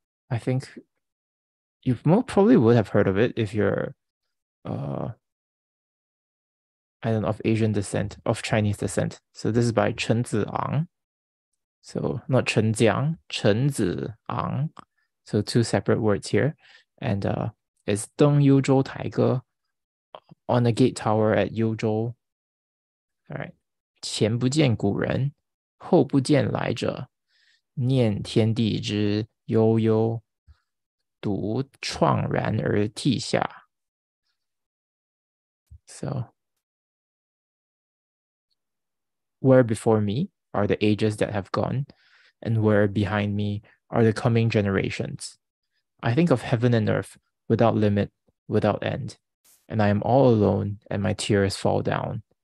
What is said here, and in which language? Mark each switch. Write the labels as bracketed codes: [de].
[en] I think you probably would have heard of it if you're, I don't know, of Asian descent, of Chinese descent. So this is by Chen Ziang. So not Chen Ziang, Chen Ziang. So two separate words here. And it's Deng Yuzhou Taige on the gate tower at Yuzhou. All right. [zh] 前不见古人, 后不见来者, 念天地之悠悠, 独怆然而涕下. [en] So, where before me are the ages that have gone, and where behind me are the coming generations. I think of heaven and earth without limit, without end, and I am all alone and my tears fall down.